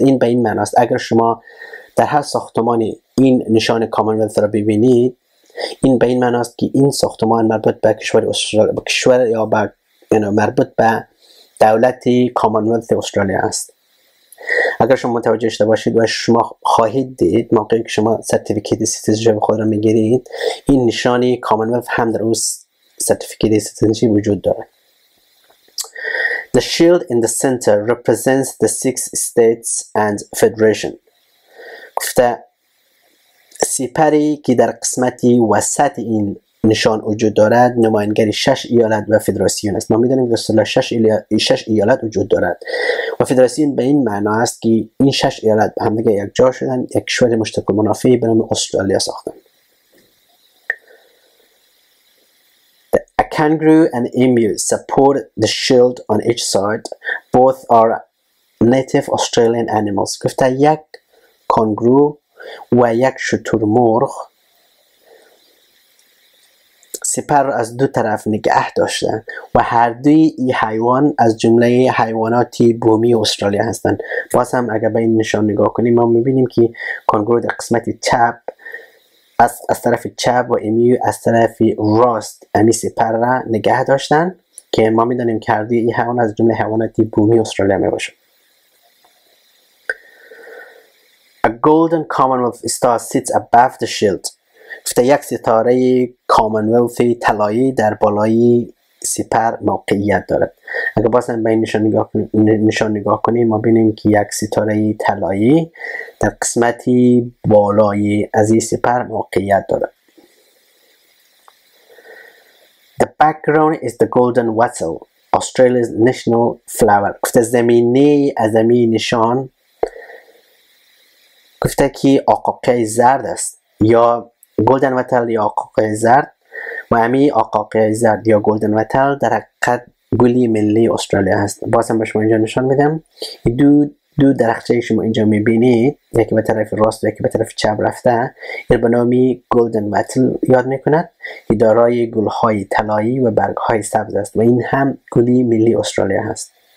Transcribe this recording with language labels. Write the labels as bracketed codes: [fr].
[fa] این به این معنی است اگر شما در هر ساختمان این نشان کامنولث را ببینید، این به این معنی است که این ساختمان مربوط به کشور استرالیا، به کشور یا به مربوط به دولت کامنولث استرالیا است. اگر شما متوجه شده باشید و شما خواهید دید موقعی که شما سرتیفیکیت سیتیزنشیپ خود را میگیرید، این نشان کامنولث هم در اون سرتیفیکیت سیتیزنشی وجود داره. [en] The shield in the center represents the six states and federation. [fa] گفته سیپری که در قسمتی وسط این نشان وجود دارد نماینگر شش ایالت و فدراسیون است. ما میدانیم که اصطلاح شش ایالت وجود دارد و فدراسیون به این معنا است که این شش ایالت به همدیگر یک جا شدن، یک کشور مشترک منافعی به نام استرالیا ساختن. [en] Kangaroo and emu support the shield on each side. Both are native Australian animals. [fa] گفته یک کانگرو و یک شتر مرغ سپر از دو طرف نگه داشته و هر دوی این حیوان از جمله حیواناتی بومی استرالیا هستند. باز هم اگر به این نشان نگاه کنیم ما میبینیم که کانگرو در قسمت چپ از طرف چپ و امیو از طرف راست امی سپر را نگه داشتن که ما میدانیم که هر دوی این حیوان از جمله حیواناتی بومی استرالیا میباشد. [en] A golden commonwealth star sits above the shield. [fa] گفته یک ستاره کامنولثی طلایی در بالای سپر موقعیت دارد. اگر باز هم به این نشان نگاه کنیم ما بینیم که یک ستاره طلایی در قسمتی بالای از این سپر موقعیت دارد. [en] The background is the golden wattle, Australia's national flower. [fa] گفته زمینه از این نشان گفته که آقاقه زرد است یا گلدن وتل یا آقاقه زرد و همین آقاقه زرد یا گلدن وتل در حقیقت گلی ملی استرالیا هست. بازم به شما اینجا نشان میدم دو درخچه شما اینجا میبینید، یکی به طرف راست و یکی به طرف چپ رفته، این به نامی گلدن وتل یاد میکند که دارای گلهای طلایی و برگهای سبز است و این هم گلی ملی استرالیا هست.